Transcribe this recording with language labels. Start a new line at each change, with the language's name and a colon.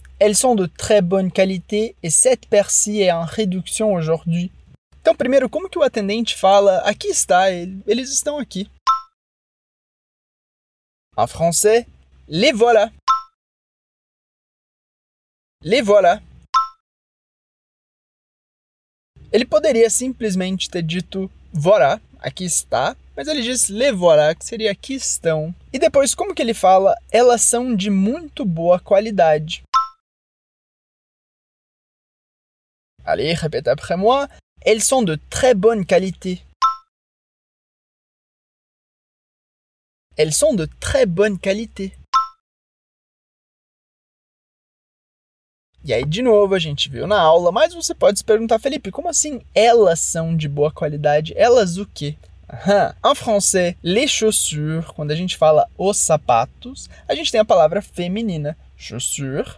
French: Elles sont de très bonne qualité et cette paire-ci est en réduction aujourd'hui.
Portuguese: Então, primeiro, como que o atendente fala aqui está, eles estão aqui?
French: En français, les voilà. Les voilà.
Portuguese: Ele poderia simplesmente ter dito voilà, aqui está, mas ele diz
French: les voilà,
Portuguese: que seria aqui estão. E depois, como que ele fala elas são de muito boa qualidade?
French: Allez, répète après moi. Elles sont de très bonne qualité. Elles sont de très bonne qualité.
Portuguese: E aí, de novo, a gente viu na aula, mas você pode se perguntar, Felipe, como assim elas são de boa qualidade? Elas o quê? Uhum.
French: En français, les chaussures,
Portuguese: quando a gente fala os sapatos, a gente tem a palavra feminina, chaussures.